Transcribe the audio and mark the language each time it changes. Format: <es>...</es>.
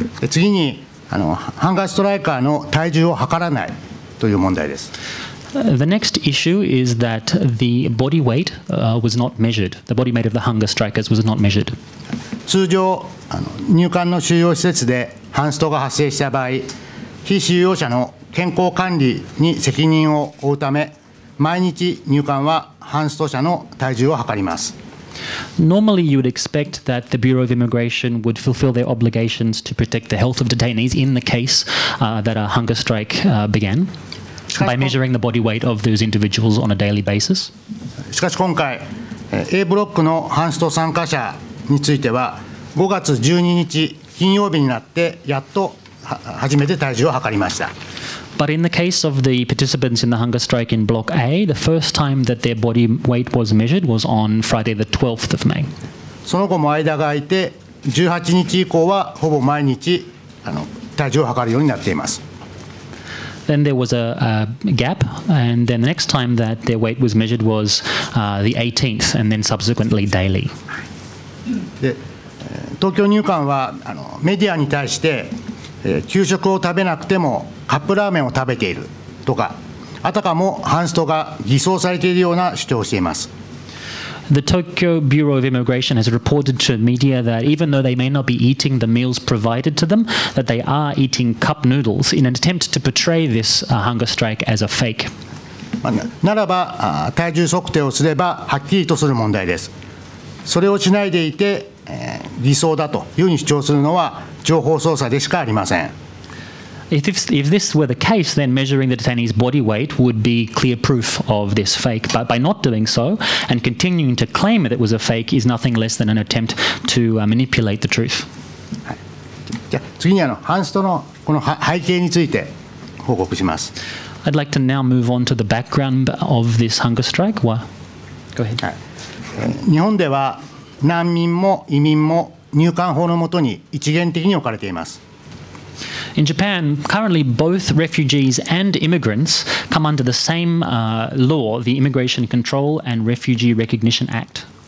<ja>次にハンガーストライカーの体重を測らないという問題です。</ja> <en>The next issue is that the body weight was not measured. The body weight of the hunger strikers was not measured.</en> <ja>通常入管の収容施設でハンストが発生した場合、非収容者の健康管理に責任を負うため、毎日入管はハンスト者の体重を測ります。</ja> <en>Normally, you would expect that the Bureau of Immigration would fulfill their obligations to protect the health of detainees in the case that a hunger strike began by measuring the body weight of those individuals on a daily basis.</en> <ja>しかし今回、A ブロックのハンスト参加者については、5月12日金曜日になってやっと初めて体重を測りました。</ja> <en>But in the case of the participants in the hunger strike in Block A, the first time that their body weight was measured was on Friday the 12th of May.</en> <ja>その後も間が空いて、18日以降はほぼ毎日体重を測るようになっています。</ja> <en>Then there was a gap, and then the next time that their weight was measured was the 18th, and then subsequently daily.</en> <ja>で、東京入管はメディアに対して、給食を食べなくてもカップラーメンを食べているとか、あたかもハンストが偽装されているような主張をしています。</ja> <en>The Tokyo Bureau of Immigration has reported to media that even though they may not be eating the meals provided to them, that they are eating cup noodles in an attempt to portray this hunger strike as a fake.</en> <ja>ならば、体重測定をすればはっきりとする問題です。それをしないでいて、偽装だというふうに主張するのは情報操作でしかありません。</ja> <en>If this were the case, then measuring the detainee's body weight would be clear proof of this fake. But by not doing so and continuing to claim that it was a fake is nothing less than an attempt to manipulate the truth.</en> <ja>じゃあ次にハンストのこの背景について報告します。</ja> <en>I'd like to now move on to the background of this hunger strike. Go ahead.</en> <ja>日本では難民も移民も入管法のもとに一元的に置かれています。</ja> <en>In Japan, currently both refugees and immigrants come under the same law, the Immigration Control and Refugee Recognition Act.</en>